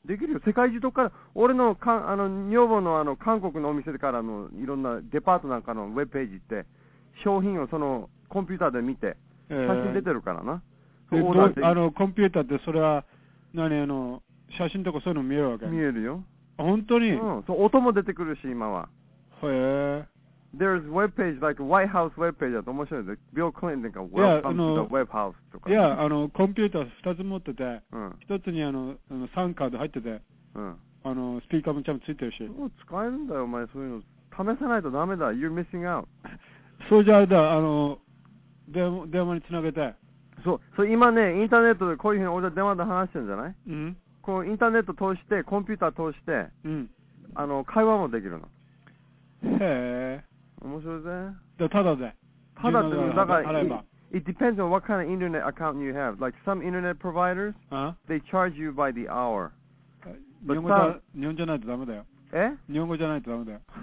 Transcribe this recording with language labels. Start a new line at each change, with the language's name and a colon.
Japanese: できるよ。世界中どっから、俺 の女房の韓国のお店からのいろんなデパートなんかのウェブページって、商品をそのコンピューターで見て、写真出てるからな。コンピューターってそれは何、写真とかそういうの見えるわけ？見えるよ。本当に？うん、そう、音も出てくるし、今は。へぇ。
English: There's web page, like White House web page
Japanese: だと面白いで、
English: Bill Clinton が Welcome to the web house とか。
Japanese: いや、コンピューター2つ持ってて、うん、 1つにサンカード入ってて、うん、スピーカーもちゃんとついてるし。もう使えるんだよ、お前、そういうの。試さないとダメだ、
English: You're missing out。
Japanese: そうじゃあれだ、電話につなげて。そう、今ね、インターネットでこういうふうに俺は電話で話してるんじゃない？うん。このインターネット通して、コンピューター通して、うん、会話もできるの。へぇ。面白いぜ。で、ただで。ただで、だから、払えば。
English: It depends on what kind of internet account you have. Like some internet providers,、 uh-huh. they charge you by the hour.
Japanese: 日本じゃないとダメだよ。え？日本語じゃないとダメだよ。